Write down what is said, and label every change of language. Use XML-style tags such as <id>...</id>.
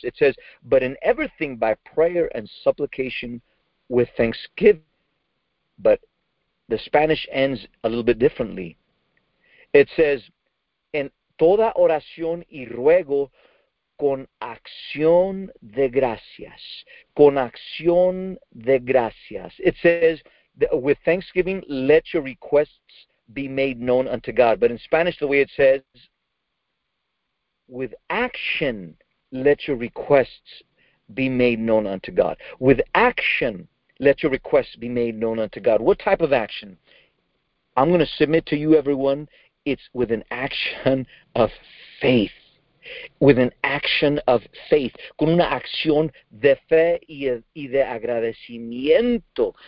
<en>It says, but in everything by prayer and supplication with thanksgiving. But the Spanish ends a little bit differently. It says,</en> <es>en toda oración y ruego con acción de gracias. Con acción de gracias.</es> <en>It says, with thanksgiving, let your requests be made known unto God. But in Spanish, the way it says, with action, let your requests be made known unto God. With action, let your requests be made known unto God. What type of action? I'm going to submit to you, everyone, it's with an action of faith. With an action of faith.</en> <es>Con una acción de fe y de agradecimiento.</es>